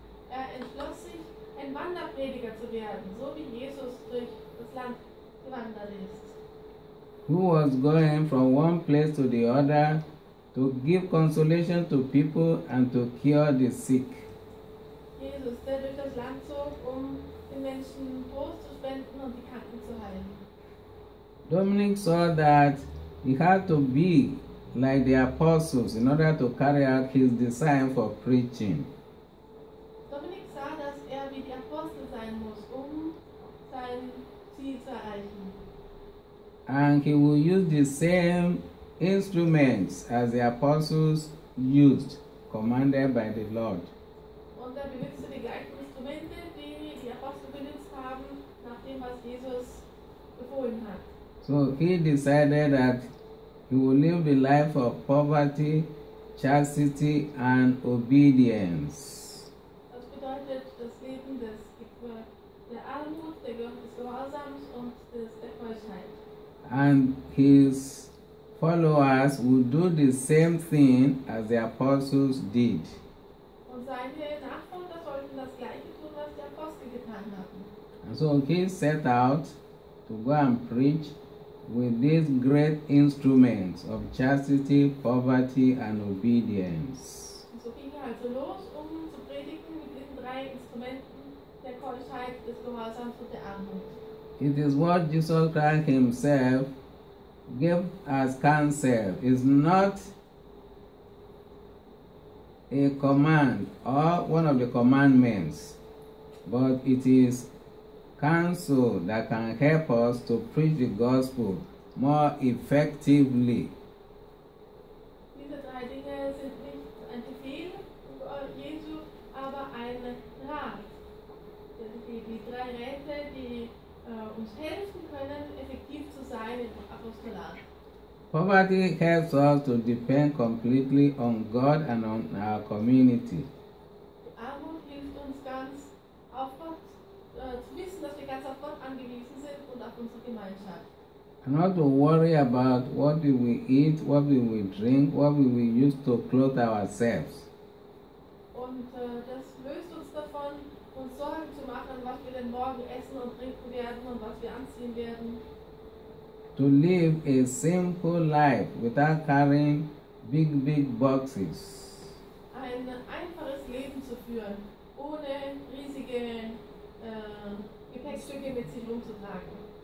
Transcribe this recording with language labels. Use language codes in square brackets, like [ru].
[de] Er entschloss sich, ein Wanderprediger zu werden, so wie Jesus durch das Land gewandert ist. [en] Who was going from one place to the other to give consolation to people and to cure the sick. [de] Jesus, der durch das Land zog, um den Menschen Trost zu spenden und die Kranken zu heilen. [en] Dominic saw that he had to be like the apostles in order to carry out his design for preaching. Dominic saw that he had to be the apostle [de] sein muss, um sein Ziel zu erreichen. [en] And he will use the same instruments as the apostles used, commanded by the Lord. [de] Und er benutzte die gleichen Instrumente, die die Apostel benutzt haben, nachdem was Jesus befohlen hat. [en] So he decided that he will live the life of poverty, chastity, and obedience. [de] Das bedeutet das Leben des der Armut, des Gehorsams und des Gehorsamkeit. [en] And his followers would do the same thing as the apostles did. [de] Und seine Nachfolger sollten das gleiche tun, was die Apostel getan hatten. [en] And so he set out to go and preach with these great instruments of chastity, poverty, and obedience. [de] So ging er also los, um zu predigen mit diesen drei Instrumenten der Keuschheit, des Gehorsams und der Armut. [en] It is what Jesus Christ himself gave as counsel. It's not a command or one of the commandments, but it is counsel that can help us to preach the gospel more effectively. [de] Diese drei Dinge sind nicht ein Befehl von Jesu, aber ein Rat. Die drei Räte, die uns helfen können, effektiv zu sein im Apostolat. [en] Poverty helps us to depend completely on God and on our community. [de] Armut hilft uns ganz auf Gott, zu wissen, dass wir ganz auf Gott angewiesen sind und auf unsere Gemeinschaft. [en] Not to worry about what do we eat, what do we drink, what do we use to clothe ourselves. [de] Und das löst uns davon, uns Sorgen zu machen, was wir denn morgen essen und trinken werden und was wir anziehen werden. [en] To live a simple life without carrying big, big boxes. [de] Ein einfaches Leben zu führen, ohne riesige Gepäckstücke mit sich rumzutragen.